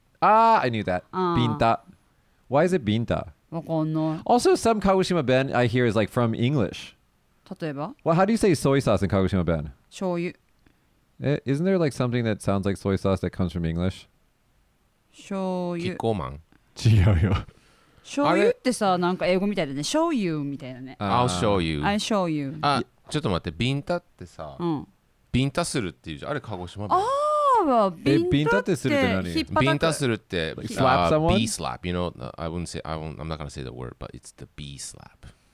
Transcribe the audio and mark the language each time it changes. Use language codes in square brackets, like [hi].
[en] Ah, I knew that. Binta. Why is it binta? Also, some Kagoshima ben I hear is like from English. [ja] 例えば? [en] Well, how do you say soy sauce in Kagoshima ben? [ja] 醤油. [en] Isn't there like something that sounds like soy sauce that comes from English? [ja] 醤油. キコマン. 違うよ. 醤油ってさ、なんか英語みたいだね。醤油みたいだね。 [en] I'll show you. I'll show you. [ja] あ、ちょっと待って。ビンタってさ、ビンタするっていうじゃん。あれ鹿児島弁。ビンタってするって何？ビンタするって、 [en] like slap someone? B slap. You know, I wouldn't say, I won't, I'm not gonna say the word, but it's the B slap.